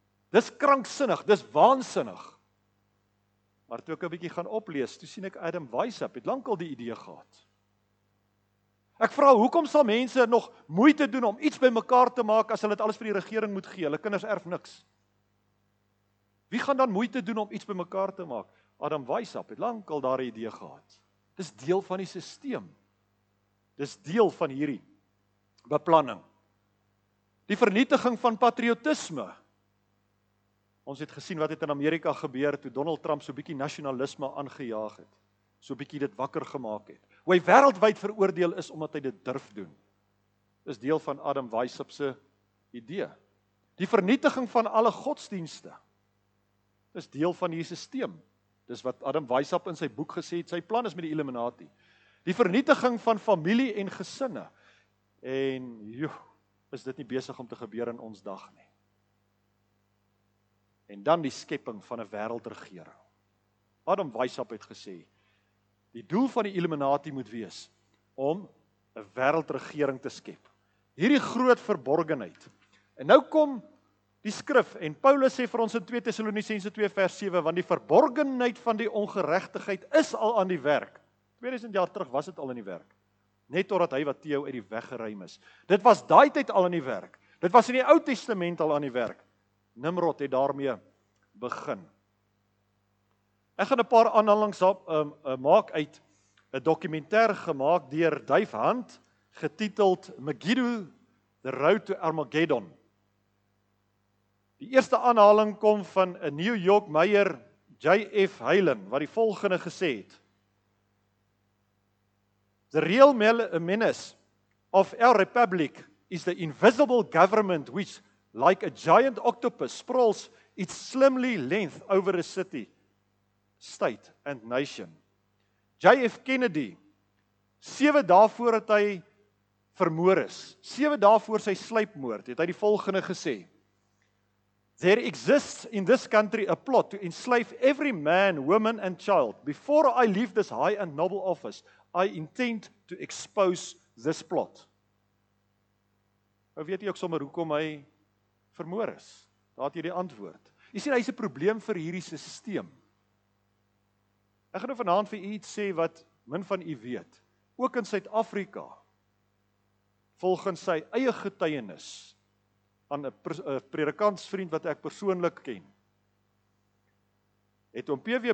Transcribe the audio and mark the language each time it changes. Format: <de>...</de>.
<af>Dis kranksinnig, dis waansinnig. Maar toe ek 'n bietjie gaan oplees, toe sien ek Adam Weishaupt het lankal die idee gehad. Ek vra, hoekom sal mense nog moeite doen om iets by mekaar te maak as hulle dit alles vir die regering moet gee? Hulle kinders erf niks. Wie gaan dan moeite doen om iets bymekaar te maak? Adam Weishaupt het lank al daardie idee gehad. Dis deel van die stelsel. Dis deel van hierdie beplanning. Die vernietiging van patriotisme. Ons het gesien wat het in Amerika gebeur toe Donald Trump so 'n bietjie nasionalisme aangejaag het. So 'n bietjie dit wakker gemaak het. Hoe hy wêreldwyd veroordeel is omdat hy dit durf doen. Is deel van Adam Weishaupt se idee. Die vernietiging van alle godsdienste. Is deel van hierdie stelsel. Dis wat Adam Weishaupt in sy boek gesê het, sy plan is met die Illuminati. Die vernietiging van familie en gesinne. En joh, is dit nie besig om te gebeur in ons dag nie. En dan die skepping van 'n wêreldregering. Adam Weishaupt het gesê, die doel van die Illuminati moet wees om 'n wêreldregering te skep. Hierdie groot verborgenheid. En nou kom die skrif en Paulus sê vir ons in 2 Tessalonisense 2 vers 7, want die verborgenheid van die ongeregtigheid is al aan die werk. 2000 jaar terug was dit al in die werk. Net totdat hy wat Theo uit die weg geruim is. Dit was daai tyd al in die werk. Dit was in die Ou Testament al aan die werk. Nimrod het daarmee begin. Ek gaan 'n paar aanhalings maak uit 'n dokumentêr gemaak deur Dave Hunt getiteld Megiddo, The Road to Armageddon. Die eerste aanhaling kom van 'n New York meier, J.F. Heilen, wat die volgende gesê het.</af> <en>The real menace of our republic is the invisible government which, like a giant octopus, sprawls its slimly length over a city, state and nation. J.F.</en> <af>Kennedy, 7 dae voordat hy vermoor is, 7 dae voor sy sluipmoord, het hy die volgende gesê.</af> <en>There exists in this country a plot to enslave every man, woman and child. Before I leave this high and noble office, I intend to expose this plot.</en> <af>Nou weet jy ook sommer hoekom hy vermoor is. Daar het jy die antwoord. Jy sien, hy's 'n probleem vir hierdie stelsel. Ek gaan nou vanaand vir u iets sê wat min van u weet. Ook in Suid-Afrika, volgens sy eie getuienis, aan 'n predikantsvriend wat ek persoonlik ken, het hom P.W.</af>